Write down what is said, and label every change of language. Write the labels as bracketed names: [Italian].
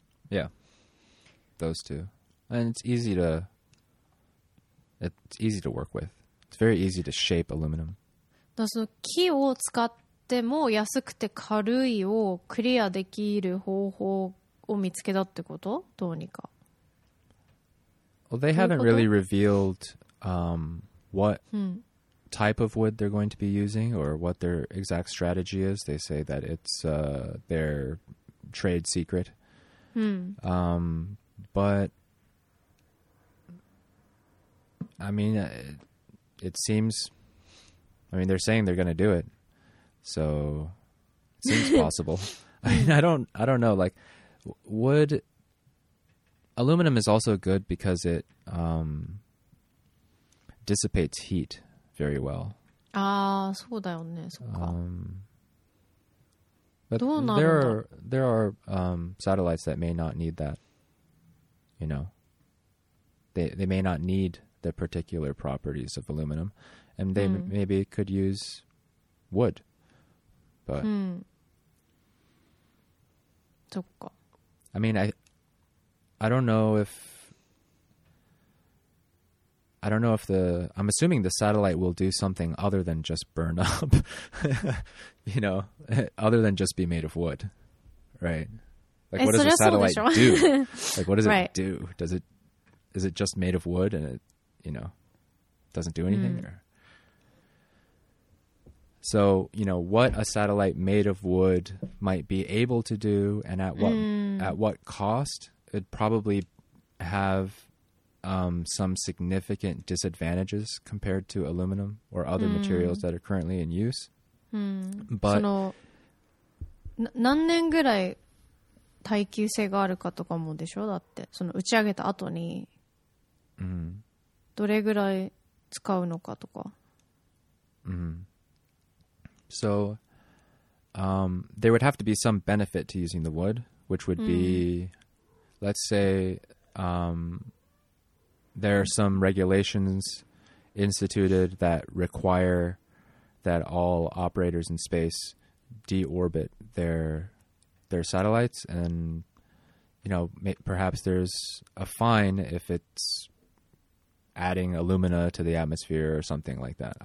[English] Yeah. Those two. And it's easy to work with. It's very easy to shape aluminum. [Japanese] だその木を使っても安くて軽いをクリアできる方法を見つけたってこと？どうにか。 [English] Well, they haven't really revealed what type of wood they're going to be using or what their exact strategy is. They say that it's their trade secret. But I mean, it seems. I mean, they're saying they're going to do it, so it seems possible. I mean, I don't know. Like, wood, aluminum is also good because it dissipates heat very well. [Japanese] Ah, そうだよね、そっか。 [English] But [Japanese] どうなんだ? [English] there are satellites that may not need that. You know, they may not need the particular properties of aluminum, and they maybe could use wood. But I mean, I don't know if I'm assuming the satellite will do something other than just burn up, you know, other than just be made of wood, right? Like, what does a satellite do? Like, what does it do? Does it, is it just made of wood and it, you know, doesn't do anything? Or? So, you know, what a satellite made of wood might be able to do and at what cost, it'd probably have some significant disadvantages compared to aluminum or other materials that are currently in use. But... [Japanese] 何年ぐらい耐久性があるかとかもでしょ、だってその打ち上げた後にどれぐらい使うのかとか。 [English] So, there would have to be some benefit to using the wood, which would be, let's say, there are some regulations instituted that require that all operators in space deorbit their satellites, and, you know, perhaps there's a fine if it's adding alumina to the atmosphere or something like that.